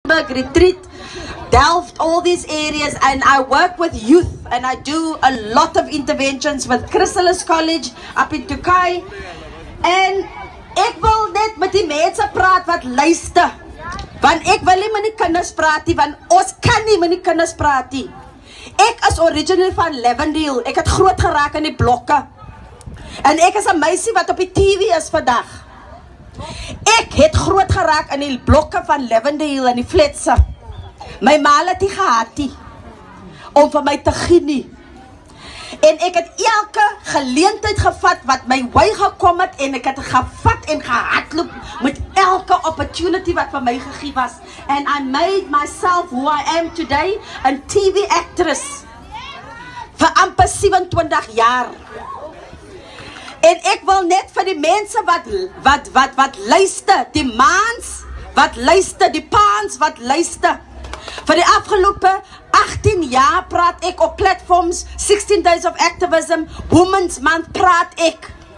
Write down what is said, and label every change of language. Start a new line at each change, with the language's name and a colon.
English: Johannesburg retreat, delved all these areas, and I work with youth, and I do a lot of interventions with Chrysalis College up in Tukai.
Afrikaans: And ek wil net met die mense praat wat luister, want ek wil nie met die kinders praat nie, want ons kan nie met die kinders praat nie. Ek is originally van Levendale. Ek het groot geraak in die blokke. En ek is 'n meisie wat op die TV is vandag. Ek het groot geraak in die blokke van Levendale en die flats. My ma het nie gehad nie om vir my te gee nie. En ek het elke geleentheid gevat wat my wy gekom het, en ek het gevat en gehardloop met elke opportunity wat vir my gegee was.
English: And I made myself who I am today, a TV actress
Afrikaans: vir amper 27 jaar. En ek wil net vir die mense wat luister, die mans wat luister, die paans wat luister, vir die afgelope 18 jaar praat ek op platforms, 16 Days of Activism, Women's Month praat ek.